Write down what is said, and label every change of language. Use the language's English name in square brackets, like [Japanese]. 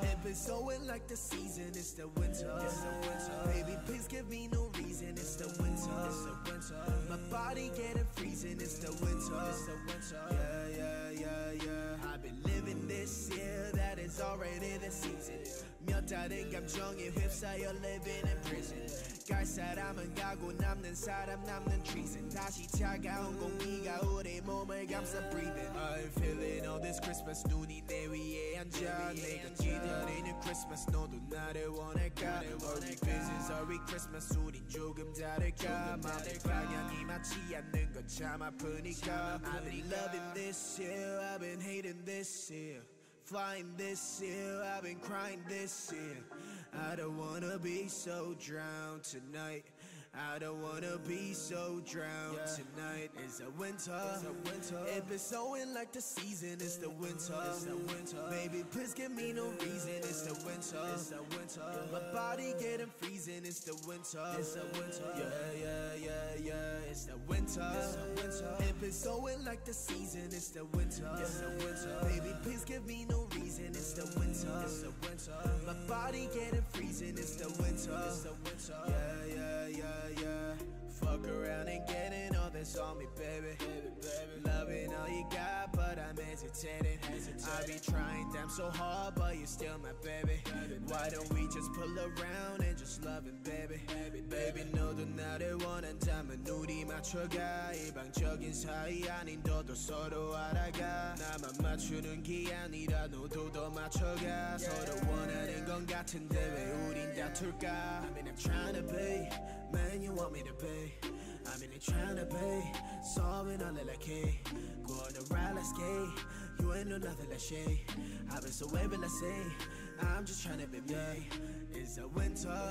[English] It been snowing like the season. It's the winter. It's the winter. Baby, please give me no reason. It's the winter. It's the winter. My body getting freezing. It's the winter. It's the winter. Yeah, yeah, yeah, yeah. I've been living this year. That is already the season. [Korean] 몇 달인 감정에 휩싸여 [English] living in prison. [Korean] 갈 사람은 가고 남는 사람 남는 treason. 다시 차가운 공기가 우리 몸을 감싸 breathing. [English] I'm feeling all this Christmas. [Korean] 눈이 내 위에 앉아. 내가 기다리는 Christmas. 너도 나를 원할까? [English] Are we business? Are we Christmas? [Korean] 우린 조금 다를까? 마음의 방향이 맞지 않는 건 참 아프니까. [English] I've been loving this year. I've been hating this year. Flying this year, I've been crying this year. I don't wanna be so drowned tonight. I don't wanna be so drowned tonight. It's a winter. It's a winter. It been snowing like the season. It's the winter. It's the winter. Baby, please give me no reason. It's the winter. It's the winter. My body getting freezing. It's the winter. It's the winter. Yeah, yeah, yeah, yeah. It's the winter. It's the winter. It been snowing like the season. It's the winter. It's the winter. Baby, please give me no reason. It's the winter. It's the winter. My body getting freezing. It's the winter. It's the winter. Yeah, yeah, yeah. Yeah, fuck around and getting all this on me, baby. Baby, baby. Loving all you got, but I'm hesitating. I be trying damn so hard, but you're still my baby. Baby, why don't we just pull around and just love it, baby? Baby, baby, baby. [Korean] 너도 나를 원한다면 눈이 맞춰가. 일방적인 사이 아닌 너도 서로 알아가. 나만 맞추는 게 아니라 너도 더 맞춰가. Yeah, 서로 원하는 건 같은데 왜 우린 다툴까? [English] I mean I'm trying to be man you want me to be. I mean I'm trying to be solving all the key. Go on the ride, let's skate. You ain't no nothing like shade. I've been so wavy, let's say. I'm just trying to be me. It's a winter.